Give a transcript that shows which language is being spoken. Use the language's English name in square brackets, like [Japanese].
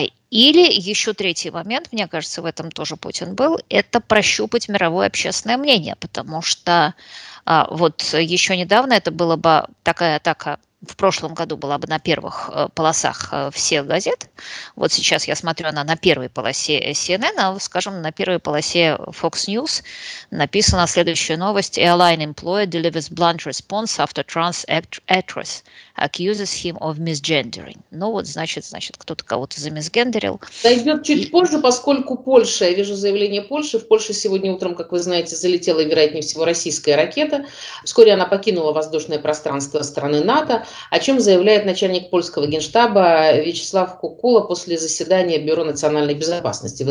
[Russian] Или еще третий момент, мне кажется, в этом тоже Путин был, это прощупать мировое общественное мнение, потому что вот еще недавно это была бы такая атака в прошлом году была бы на первых полосах всех газет. Вот сейчас я смотрю, она на первой полосе CNN, а, скажем, на первой полосе Fox News написана следующая новость. [English] Airline employee delivers blunt response after trans actress accuses him of misgendering. [Russian] Ну вот, значит, кто-то кого-то замисгендерил. Дойдет чуть позже, поскольку Польша, я вижу заявление Польши, в Польше сегодня утром, как вы знаете, залетела, вероятнее всего, российская ракета. Вскоре она покинула воздушное пространство страны НАТО, о чем заявляет начальник польского генштаба Вячеслав Кукула после заседания Бюро национальной безопасности.